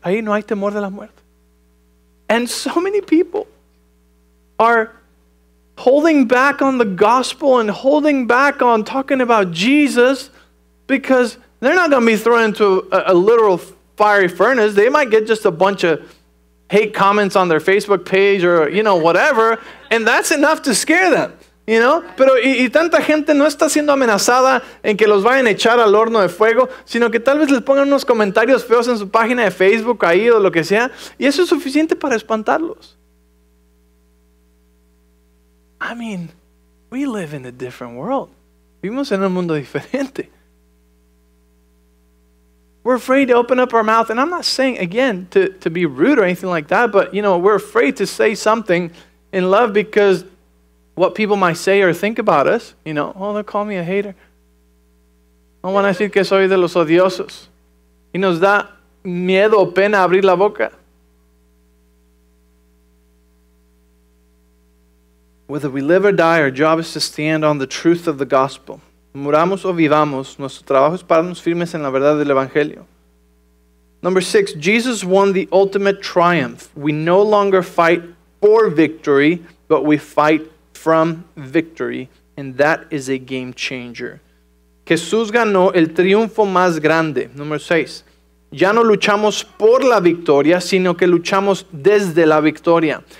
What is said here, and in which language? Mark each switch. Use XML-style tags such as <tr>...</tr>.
<es>Ahí no hay temor de la muerte.</es> <en>And so many people are holding back on the gospel and holding back on talking about Jesus because they're not going to be thrown into a literal fiery furnace. They might get just a bunch of hate comments on their Facebook page or, you know, whatever. And that's enough to scare them. You know?</en> <es>Pero y tanta gente no está siendo amenazada en que los vayan a echar al horno de fuego, sino que tal vez les pongan unos comentarios feos en su página de Facebook ahí o lo que sea, y eso es suficiente para espantarlos.</es> <en>I mean, we live in a different world.</en> <es>Vivimos en un mundo diferente.</es> <en>We're afraid to open up our mouth, and I'm not saying, again, to be rude or anything like that, but, you know, we're afraid to say something in love because what people might say or think about us, you know, oh, they'll call me a hater.</en> <es>No van a decir que soy de los odiosos. Y nos da miedo o pena abrir la boca.</es> <en>Whether we live or die, our job is to stand on the truth of the gospel.</en> <es>Muramos o vivamos, nuestro trabajo es pararnos firmes en la verdad del evangelio.</es> <en>Number 6, Jesus won the ultimate triumph. We no longer fight for victory, but we fight from victory, and that is a game changer.</en> <es>Jesús ganó el triunfo más grande. Número 6. Ya no luchamos por la victoria, sino que luchamos desde la victoria.</es>